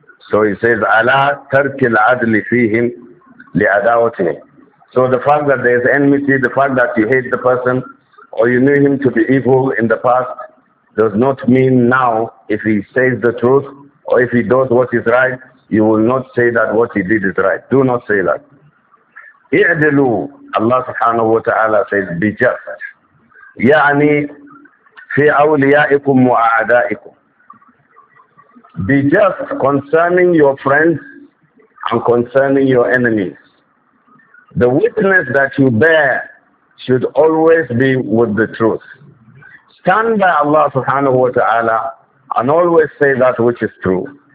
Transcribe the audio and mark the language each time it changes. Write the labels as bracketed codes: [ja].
[en] So he says, [ar] عَلَىٰ تَرْكِ الْعَدْلِ فِيهِمْ لِعَدَاوَتِهِمْ. [en] So the fact that there is enmity, the fact that you hate the person, or you knew him to be evil in the past, does not mean now, if he says the truth, or if he does what is right, you will not say that what he did is right. Do not say that. اِعْدِلُوا. Allah subhanahu wa ta'ala says, be just. [ar] يعني في أوليائكم وأعدائكم. [en] Be just concerning your friends and concerning your enemies. The witness that you bear should always be with the truth. Stand by Allah subhanahu wa ta'ala and always say that which is true.